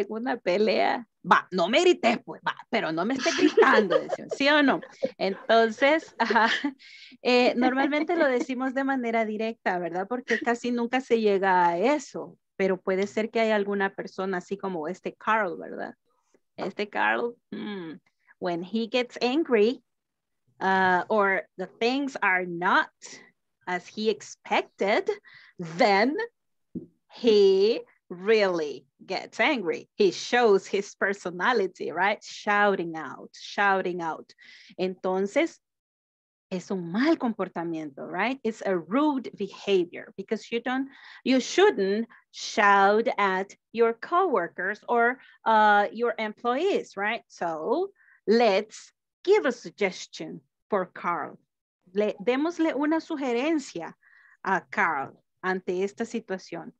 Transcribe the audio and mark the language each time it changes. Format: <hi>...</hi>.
<es>En una pelea, va, no me grites, pues, va, pero no me esté gritando, ¿sí o no? Entonces, normalmente lo decimos de manera directa, ¿verdad? Porque casi nunca se llega a eso, pero puede ser que haya alguna persona así como este Carl, ¿verdad?</es> <en>Este Carl, when he gets angry, or the things are not as he expected, then he really gets angry. He shows his personality, right? Shouting out.</en> <es>Entonces, es un mal comportamiento, right?</es> <en>It's a rude behavior because you shouldn't shout at your coworkers or your employees, right? So let's give a suggestion. Por Carl.</en> <es>Démosle una sugerencia a Carl ante esta situación.</es>